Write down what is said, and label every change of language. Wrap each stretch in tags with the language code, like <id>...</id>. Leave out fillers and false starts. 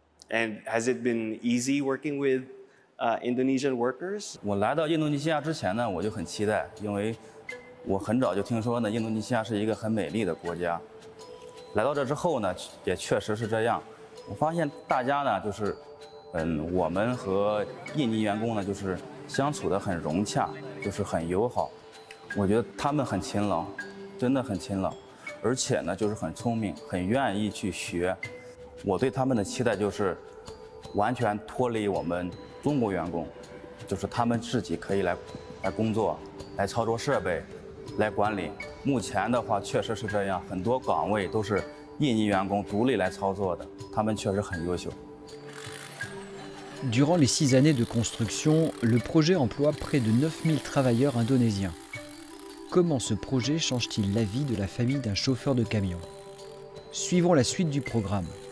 <en>And has it been easy working with Indonesian workers?</en> <zh>我来到印度尼西亚之前呢，我就很期待，因为我很早就听说呢，印度尼西亚是一个很美丽的国家。来到这之后呢，也确实是这样。我发现大家呢，就是，我们和印尼员工呢，就是相处得很融洽，就是很友好。我觉得他们很勤劳，真的很勤劳，而且呢，就是很聪明，很愿意去学。我对他们的期待就是完全脱离我们中国员工，就是他们自己可以来工作，来操作设备，来管理。目前的话确实是这样，很多岗位都是印尼员工独立来操作的，他们确实很优秀。</zh> <fr>Durant les 6 années de construction, le projet emploie près de 9000 travailleurs indonésiens. Comment ce projet change-t-il la vie de la famille d'un chauffeur de camion? Suivons la suite du programme.</fr>